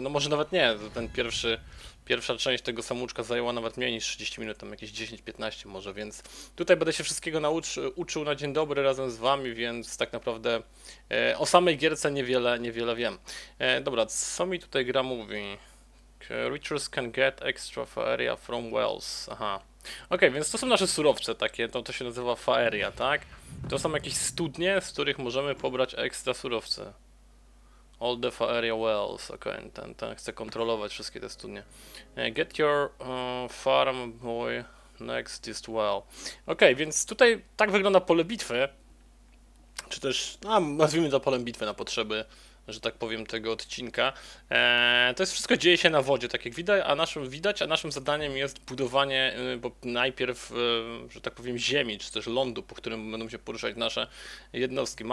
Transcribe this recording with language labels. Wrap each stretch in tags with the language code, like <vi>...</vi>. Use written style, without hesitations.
<pl>No może nawet nie, ten pierwszy... Pierwsza część tego samouczka zajęła nawet mniej niż 30 minut, tam jakieś 10-15 może, więc tutaj będę się wszystkiego uczył na dzień dobry razem z wami, więc tak naprawdę o samej gierce niewiele wiem. Dobra, co mi tutaj gra mówi?</pl> <en>Creatures can get extra faeria from wells.</en> <pl>Aha. Okej, więc to są nasze surowce takie, to się nazywa faeria, tak? To są jakieś studnie, z których możemy pobrać ekstra surowce.</pl> <en>All the faeria wells,</en> <pl>ok, ten chce kontrolować wszystkie te studnie.</pl> <en>Get your farm boy next this well.</en> <pl>Ok, więc tutaj tak wygląda pole bitwy, czy też, no, nazwijmy to polem bitwy na potrzeby, że tak powiem, tego odcinka. To jest wszystko dzieje się na wodzie, tak jak widać, a naszym zadaniem jest budowanie najpierw, że tak powiem, ziemi, czy też lądu, po którym będą się poruszać nasze jednostki.</pl>